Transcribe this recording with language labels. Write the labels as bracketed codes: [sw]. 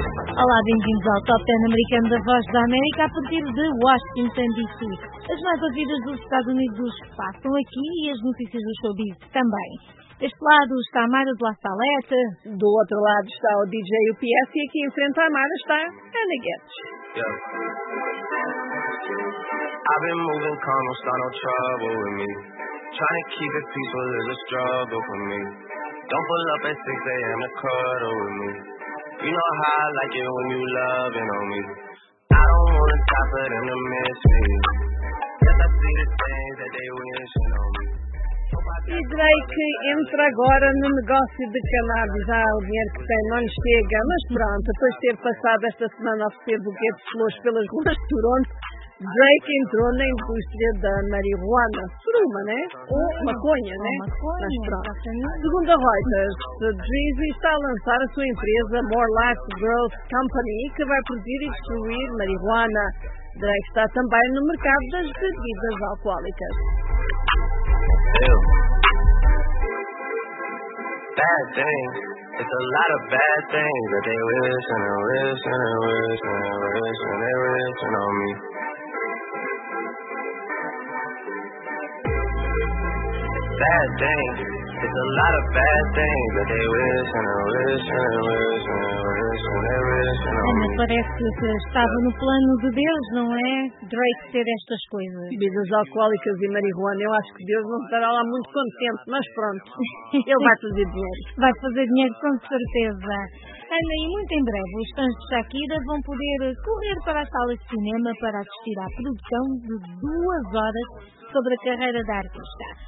[pt] Olá, bem-vindos ao Top 10 americano da Voz da América a partir de Washington, D.C. As mais ouvidas dos Estados Unidos passam aqui e as notícias do showbiz também. Deste lado está a Mara de La Salete. Do outro lado está o DJ UPS e aqui em frente à Mara está a Ana Guedes. [en] I've been moving calm, don't start no trouble with me. Trying to keep it peaceful is a struggle for me. Don't pull up at 6 a.m. to cuddle with me. You know how I like it when you loving on me. I don't wanna die for them to miss me. Yes, I see the things that they wishing on me. [pt] E Drake entra agora no negócio de cannabis. Ah, o dinheiro que tem não lhe chega. Mas pronto, depois de ter passado esta semana a oferecer buquê de flores pelas ruas de Toronto, Drake entrou na indústria da marihuana. Fruma, né? Ou maconha, né? Mas pronto. Segundo a Reuters, Drizzy está a lançar a sua empresa More Life Growth Company, que vai produzir e distribuir marihuana. Drake está também no mercado das bebidas alcoólicas. [en] Bad things, it's a lot of bad things that they wish and they wish and they wish and they wish and they wish on me. Bad things, it's a lot of bad things that they wish and they wish and they wish and they wish and they wish on me. [pt] Parece que estava no plano de Deus, não é? Drake ter estas coisas. Bebidas alcoólicas e marihuana, eu acho que Deus não estará lá muito contente, mas pronto, ele vai fazer dinheiro. Vai fazer dinheiro com certeza. Ana, e muito em breve, os fãs de Shakira vão poder correr para a sala de cinema para assistir à produção de 2 horas sobre a carreira da artista.